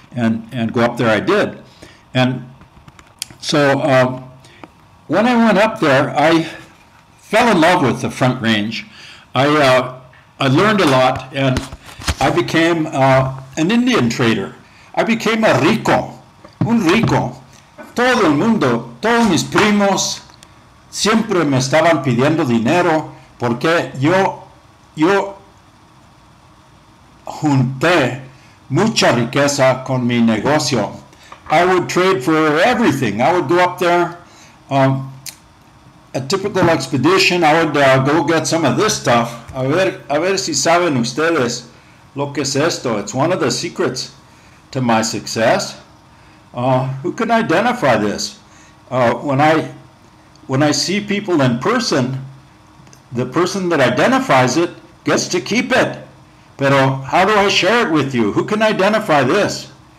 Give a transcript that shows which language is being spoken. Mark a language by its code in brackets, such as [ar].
[en] And go up there I did. And so when I went up there, I fell in love with the Front Range. I learned a lot and I became an Indian trader. I became a rico, [es] un rico. Todo el mundo, todos mis primos, siempre me estaban pidiendo dinero porque yo junté mucha riqueza con mi negocio. [en] I would trade for everything. I would go up there, a typical expedition, I would go get some of this stuff. [es] A ver si saben ustedes lo que es esto. [en] It's one of the secrets to my success. Who can identify this? When I see people in person, the person that identifies it gets to keep it. [es] Pero [en] how do I share it with you? Who can identify this?